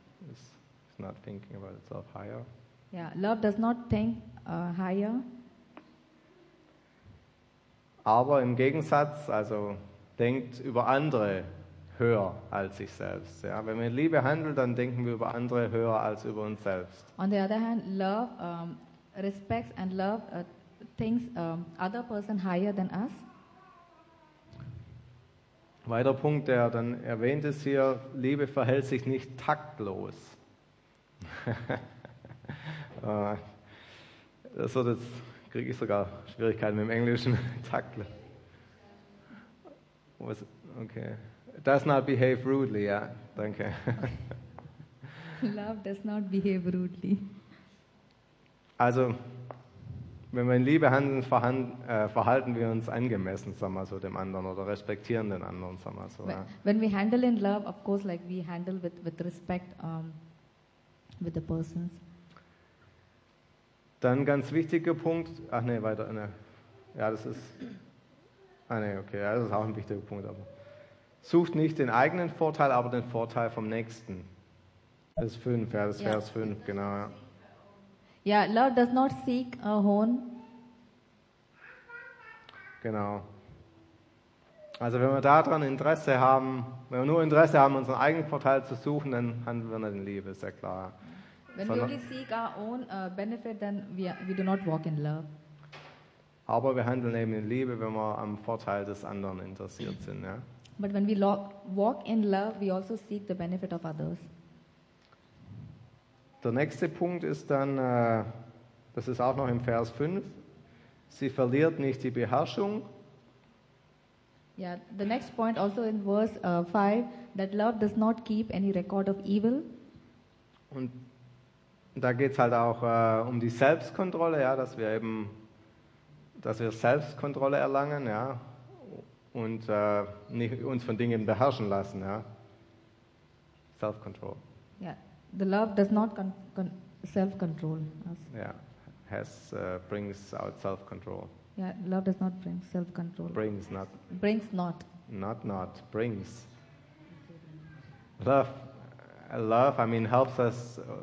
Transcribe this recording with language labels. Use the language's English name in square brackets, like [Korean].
[English] It's not thinking about itself higher. Yeah, love does not think higher. [German] Aber im Gegensatz, also denkt über andere höher als sich selbst. Ja? Wenn wir in Liebe handeln, dann denken wir über andere höher als über uns selbst. [English] On the other hand, love respects and love thinks other person higher than us. [German] Weiter Punkt, der dann erwähnt ist hier, Liebe verhält sich nicht taktlos. Das wird jetzt, kriege ich sogar Schwierigkeiten mit dem Englischen, taktlos. [English] Okay. Does not behave rudely, ja. Danke. Okay. Love does not behave rudely. [German] Also, wenn wir in Liebe handeln, verhalten wir uns angemessen, sagen wir so, dem anderen oder respektieren den anderen, sagen wir so. Ja. [English] When we handle in love, of course, like we handle with respect with the persons. [German] Dann ganz wichtiger Punkt. Ach nee, weiter. Nee. Ja, das ist. Ah ne, okay, das ist auch ein wichtiger Punkt. Aber sucht nicht den eigenen Vorteil, aber den Vorteil vom Nächsten. Das ist 5, ja, das ist Vers 5, genau. Ja, [English] yeah, love does not seek a own. [German] Genau. Also wenn wir daran Interesse haben, wenn wir nur Interesse haben, unseren eigenen Vorteil zu suchen, dann handeln wir nicht in Liebe, ist ja klar. [English] When we only seek our own benefit, then we do not walk in love. [German] Aber wir handeln eben in Liebe, wenn wir am Vorteil des anderen interessiert sind, ja. [English] But when we walk in love, we also seek the benefit of others. [German] Der nächste Punkt ist dann, das ist auch noch im Vers 5, sie verliert nicht die Beherrschung. [English] Yeah, the next point also in verse 5, that love does not keep any record of evil. [German] Und da geht es halt auch um die Selbstkontrolle, ja, dass wir Selbstkontrolle erlangen, ja, und nicht uns von Dingen beherrschen lassen, ja. [English] Self-control. Yeah, the love does not self-control us. Yeah, brings out self-control. Yeah, love does not bring self-control. Brings. Love helps us.